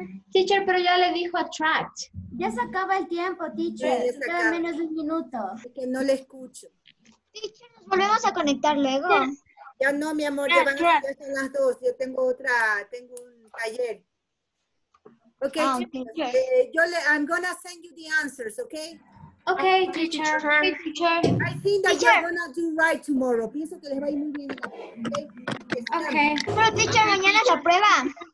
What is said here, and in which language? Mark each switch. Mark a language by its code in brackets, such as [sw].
[es] Teacher, pero ya le dijo attract. Ya se acaba el tiempo, teacher. Sí, queda menos de un minuto. Es que no le escucho. Teacher, nos volvemos a conectar luego. Ya no, mi amor, ya van a estar las dos. Yo tengo otra, tengo un taller. [en] Okay, I'm gonna send you the answers, okay? Okay, teacher. I think that you're gonna do right tomorrow. [es] Pienso que les va a ir muy bien. [en] Okay. [es] Pero, teacher, mañana es la prueba.